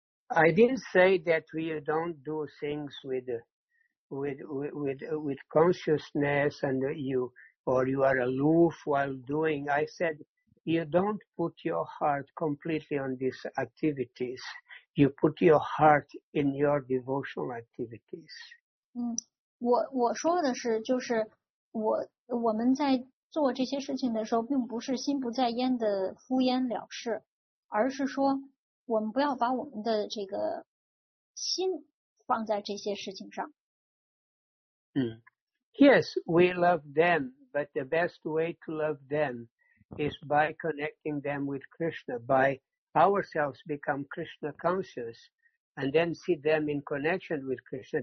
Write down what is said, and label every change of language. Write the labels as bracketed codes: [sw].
[en] I didn't say that we don't do things with consciousness and or you are aloof while doing. I said, you don't put your heart completely on these activities. You put your heart in your devotional activities. [zh] 我说的是，就是我们在做这些事情的时候，并不是心不在焉的敷衍了事，而是说我们不要把我们的这个心放在这些事情上。 [en] Yes, we love them. But the best way to love them is by connecting them with Krishna, by ourselves become Krishna conscious, and then see them in connection with Krishna.